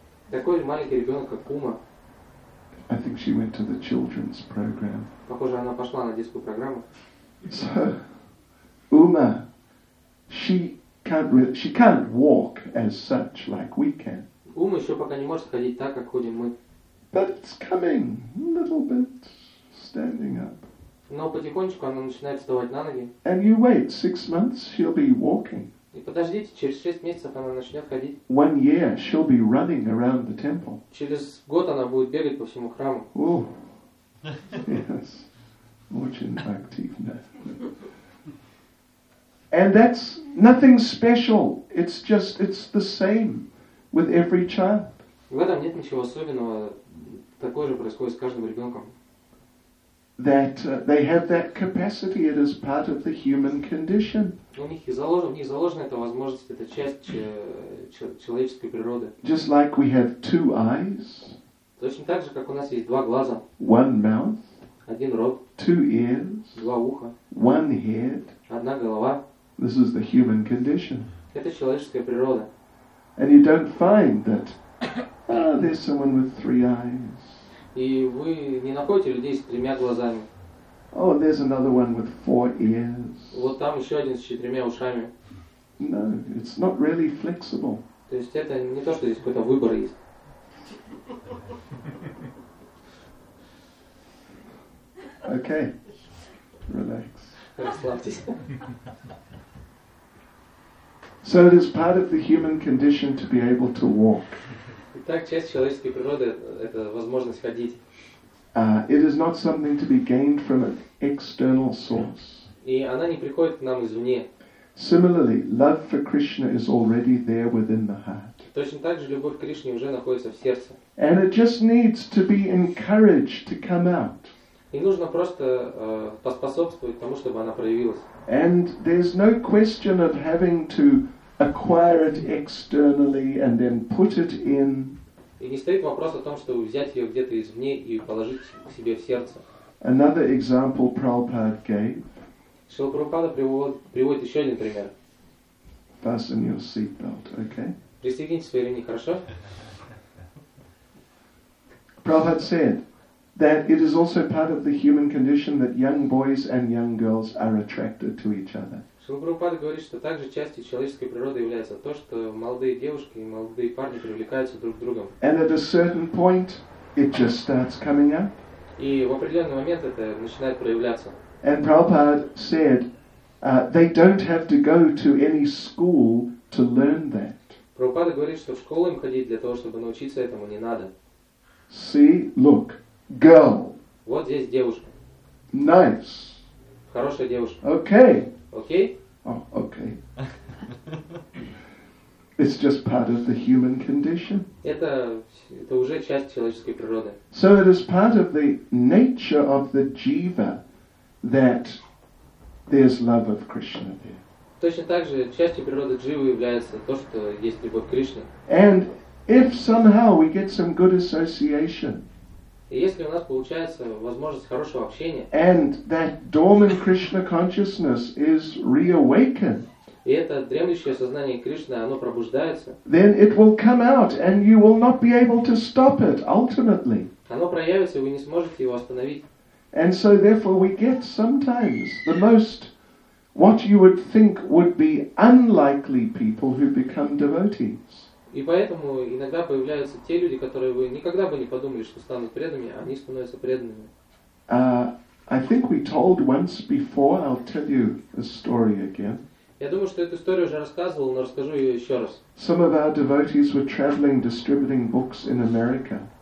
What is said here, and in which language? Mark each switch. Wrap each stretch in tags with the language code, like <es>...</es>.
<ru>Такой маленький ребенок, как Ума.</ru> <en>I think she went to the children's program.</en> <ru>Похоже, она пошла на детскую программу.</ru> <en>So, Uma. She can't walk as such like we can.</en> <ru>Ума еще пока не может ходить так, как ходим мы.</ru> <en>But it's coming, little bit, standing up.</en> <ru>Но потихонечку она начинает вставать на ноги.</ru> <en>And you wait 6 months, she'll be walking.</en> <ru>И подождите, через 6 месяцев она начнет ходить.</ru> <en>1 year, she'll be running around the temple.</en> <ru>Через год она будет бегать по всему храму.</ru> <en>Oh, yes,</en> <ru>очень активно.</ru> <en>And that's nothing special. It's just it's the same with every child.</en> <ru>В этом нет ничего особенного. Такое же происходит с каждым ребенком.</ru> <en>That they have that capacity. It is part of the human condition.</en> <ru>У них заложено, эта возможность, это часть человеческой природы.</ru> <en>Just like we have 2 eyes.</en> <ru>Точно так же, как у нас есть 2 глаза.</ru> <en>1 mouth.</en> <ru>1 рот.</ru> <en>2 ears.</en> <ru>2 уха.</ru> <en>1 head.</en> <ru>1 голова.</ru> <en>This is the human condition.</en> <ru>Это человеческая природа.</ru> <en>And you don't find that there's someone with 3 eyes.</en> <ru>И вы не находите людей с 3 глазами.</ru> <en>Oh, there's another one with 4 ears.</en> <ru>Вот там еще один с 4 ушами.</ru> <en>No, it's not really flexible.</en> <ru>То есть это не то, что здесь какой-то выбор есть.</ru> <en>Okay, relax.</en> <ru>Расслабьтесь.</ru> <en>So it is part of the human condition to be able to walk.</en> <ru>Итак, часть человеческой природы – это возможность ходить.</ru> <en>It is not something to be gained from an external source.</en> <ru>И она не приходит к нам извне.</ru> <en>Similarly, love for Krishna is already there within the heart.</en> <ru>Точно так же любовь к Кришне уже находится в сердце.</ru> <en>And it just needs to be encouraged to come out.</en> <ru>И нужно просто поспособствовать тому, чтобы она проявилась.</ru> <en>And there's no question of having to acquire it externally and then put it in.</en> <ru>И не стоит вопрос о том, чтобы взять ее где-то извне и положить к себе в сердце.</ru> <en>Another example Prabhupada gave.</en> <ru>Шрила Прабхупада приводит еще один пример.</ru> <en>Fasten your seatbelt, okay?</en> <ru>Пристегните свои ремни, хорошо?</ru> <en>Prabhupada said that it is also part of the human condition that young boys and young girls are attracted to each other.</en> <ru>Шрила Прабхупада говорит, что также частью человеческой природы является то, что молодые девушки и молодые парни привлекаются друг к другу.</ru> <en>And at a certain point, it just starts coming up.</en> <ru>И в определенный момент это начинает проявляться.</ru> <en>And Prabhupada said, they don't have to go to any school to learn that.</en> <ru>Прабхупада говорит, что в школу им ходить для того, чтобы научиться этому, не надо.</ru> <en>See, look. Girl.</en> <ru>Вот здесь девушка.</ru> <en>Nice.</en> <ru>Хорошая девушка.</ru> <en>Okay. Okay? Oh, okay. It's just part of the human condition.</en> <ru>Это уже часть человеческой природы.</ru> <en>So it is part of the nature of the jiva that there's love of Krishna there.</en> <ru>Точно так же частью природы дживы является то, что есть любовь к Кришне.</ru> <en>And if somehow we get some good association,</en> <ru>и если у нас получается возможность хорошего общения,</ru> <en>and that dormant Krishna consciousness is reawakened,</en> <ru>и это дремлющее сознание Кришны, оно пробуждается,</ru> <en>then it will come out and you will not be able to stop it ultimately.</en> <ru>Оно проявится, и вы не сможете его остановить.</ru> <en>And so therefore we get sometimes the most what you would think would be unlikely people who become devotees.</en> <ru>И поэтому иногда появляются те люди, которые вы никогда бы не подумали, что станут преданными, а они становятся преданными.</ru> <en>I think we told once before, I'll tell you a story again.</en> <ru>Я думаю, что эту историю уже рассказывал, но расскажу ее еще раз.</ru> <en>Some of our devotees were traveling distributing books in America.</en>